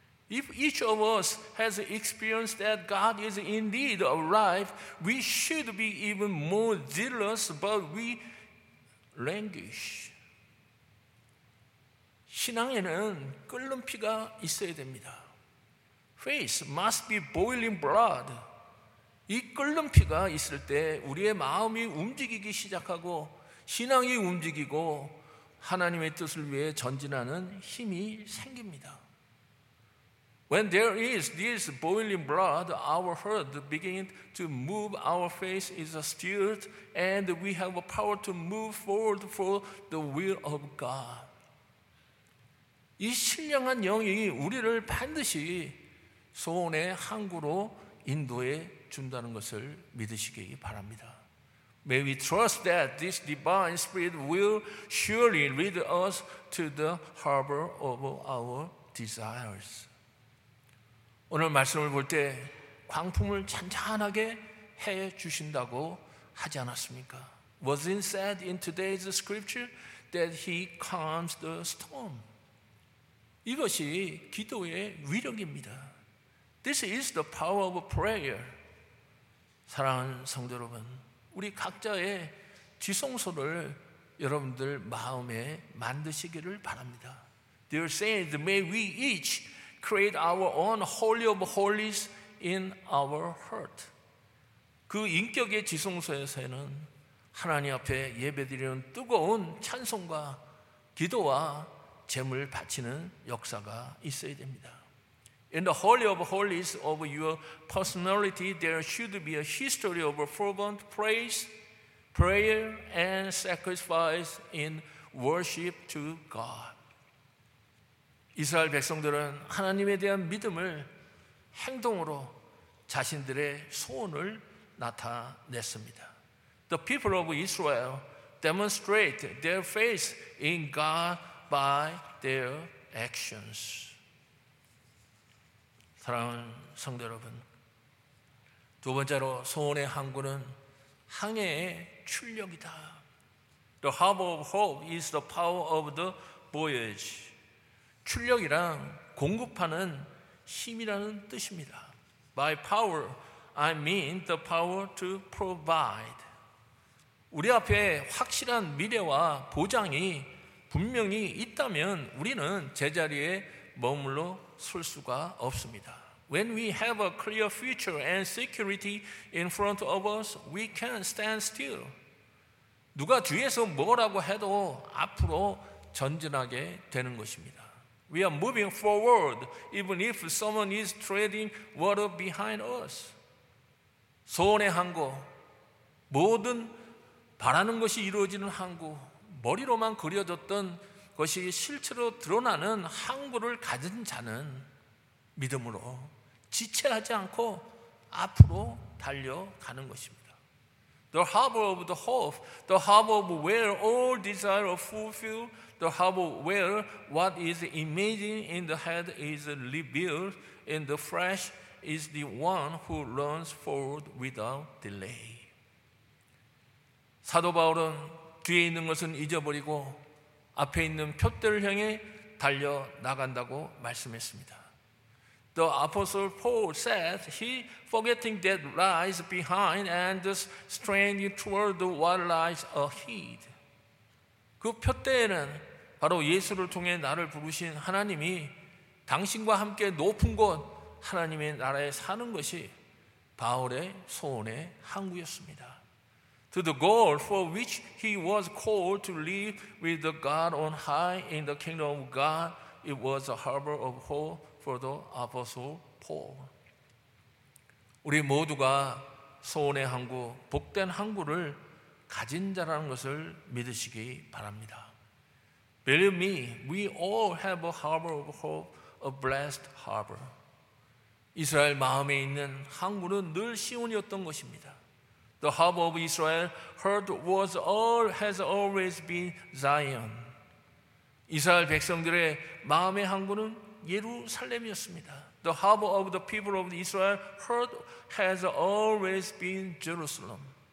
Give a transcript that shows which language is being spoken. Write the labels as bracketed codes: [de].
[en] If each of us has experienced that God is indeed alive, we should be even more zealous, but we languish. [ko] 신앙에는 끓는 피가 있어야 됩니다. [en] Faith must be boiling blood. [ko] 이 끓는 피가 있을 때 우리의 마음이 움직이기 시작하고 신앙이 움직이고 하나님의 뜻을 위해 전진하는 힘이 생깁니다. [en] When there is this boiling blood, our heart begins to move, our faith is stirred, and we have a power to move forward for the will of God. [ko] 이 신령한 영이 우리를 반드시 소원의 항구로 인도해 준다는 것을 믿으시기 바랍니다. [en] May we trust that this divine spirit will surely lead us to the harbor of our desires. [ko] 오늘 말씀을 볼 때 광풍을 잔잔하게 해 주신다고 하지 않았습니까? [en] Was it said in today's scripture that he calms the storm? [ko] 이것이 기도의 위력입니다. [en] This is the power of prayer. [ko] 사랑하는 성도 여러분, 우리 각자의 지성소를 여러분들 마음에 만드시기를 바랍니다. [en] Dear saints, may we each create our own holy of holies in our heart. [ko] 그 인격의 지성소에서는 하나님 앞에 예배드리는 뜨거운 찬송과 기도와 제물 바치는 역사가 있어야 됩니다. [en] In the holy of holies of your personality, there should be a history of fervent praise, prayer, and sacrifice in worship to God. [ko] 이스라엘 백성들은 하나님에 대한 믿음을 행동으로 자신들의 소원을 나타냈습니다. [en] The people of Israel demonstrate their faith in God by their actions. [ko] 사랑하는 성도 여러분, 두 번째로 소원의 항구는 항해의 출력이다. [en] The harbor of hope is the power of the voyage. [ko] 출력이란 공급하는 힘이라는 뜻입니다. [en] By power, I mean the power to provide. [ko] 우리 앞에 확실한 미래와 보장이 분명히 있다면 우리는 제자리에 머물러 설 수가 없습니다. [en] When we have a clear future and security in front of us, we can stand still. [ko] 누가 뒤에서 뭐라고 해도 앞으로 전진하게 되는 것입니다. [en] We are moving forward even if someone is treading water behind us. [ko] 소원의 항구, 모든 바라는 것이 이루어지는 항구, 머리로만 그려졌던 것이 실제로 드러나는 항구를 가진 자는 믿음으로 지체하지 않고 앞으로 달려가는 것입니다. [en] The harbor of the hope, the harbor of where all desire are fulfilled, the harbor where what is imagined in the head is revealed in the flesh is the one who runs forward without delay. [ko] 사도 바울은 뒤에 있는 것은 잊어버리고 앞에 있는 푯대를 향해 달려 나간다고 말씀했습니다. [en] The apostle Paul said he forgetting that lies behind and straining toward what lies ahead. [ko] 그 푯대에는 바로 예수를 통해 나를 부르신 하나님이 당신과 함께 높은 곳 하나님의 나라에 사는 것이 바울의 소원의 항구였습니다. [en] To the goal for which he was called to live with the God on high in the kingdom of God, it was a harbor of hope for the apostle Paul. [ko] 우리 모두가 소원의 항구, 복된 항구를 가진 자라는 것을 믿으시기 바랍니다. [en] Believe me, we all have a harbor of hope, a blessed harbor. [ko] 이스라엘 마음에 있는 항구는 늘 시온이었던 것입니다. [en] The harbor of Israel, heart was all has always been Zion. [ko] 이스라엘 백성들의 마음의 항구는 예루살렘이었습니다. [en] The harbor of the people of Israel, heart has always been Jerusalem.